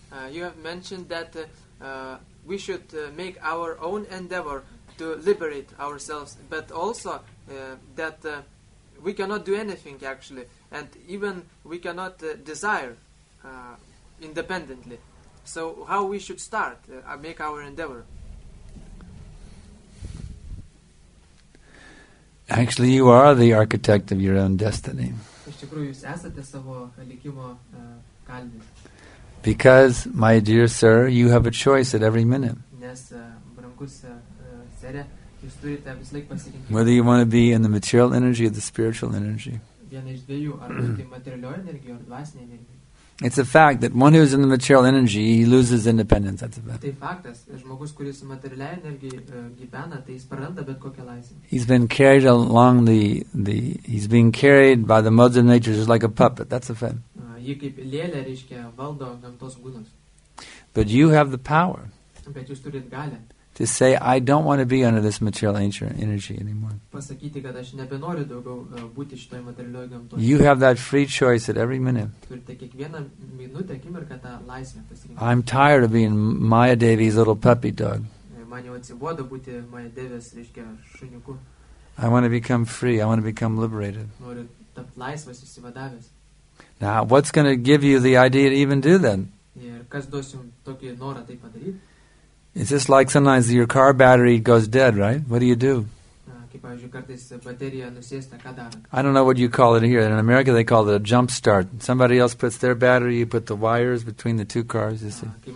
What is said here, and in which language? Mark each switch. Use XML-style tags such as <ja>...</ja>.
<en>You have mentioned that we should make our own endeavor to liberate ourselves, but also that we cannot do anything actually, and even we cannot desire independently. So how we should start, make our endeavor? Actually, you are the architect of your own destiny.</en> <lt>Iš tikrųjų, jūs esate savo likimo kalvis.</lt> <en>Because, my dear sir, you have a choice at every minute.</en> <lt>Nes, brangus sere, jūs turite vis laik pasirinkimą.</lt> <en>Whether you want to be in the material energy or the spiritual energy.</en> <lt>Viena iš dviejų, ar tai materialioji energija ar dvasinė energija.</lt> <en>It's a fact that one who is in the material energy, he loses independence. That's a fact.</en> <lt>Tai faktas. Žmogus, kuris su materialiai energijai gyvena, tai jis praranda bet kokią laisvę.</lt> <en>He's been carried along he's being carried by the modes of nature just like a puppet. That's a fact.</en> <lt>Jį kaip lėlė, reiškia, valdo gamtos gūnus.</lt> <en>But you have the power.</en> <lt>Bet jūs turit galę.</lt> <en>To say, I don't want to be under this material energy anymore.</en> <lt>Pasakyti, kad aš nebenoriu daugiau būti šitoj materialioj gamtoj.</lt> <en>You have that free choice at every minute.</en> <lt>Turite kiekvieną minutę, akimirką tą laisvę pasirinkti.</lt> <en>I'm tired of being Maya Devi's little puppy dog.</en> <lt>Man jau atsibodo būti Maya Devi's, reiškia, šuniuku.</lt> <en>I want to become free. I want to become liberated.</en> <lt>Noriu tapti laisvas, išsivadavęs.</lt> <en>Now, what's going to give you the idea to even do that?</en> <lt>Ir kas duos jums tokį norą tai padaryti?</lt> <en>It's just like sometimes your car battery goes dead, right? What do you do? I don't know what you call it here. In America, they call it a jump start. Somebody else puts their battery, you put the wires between the two cars, you see.</en>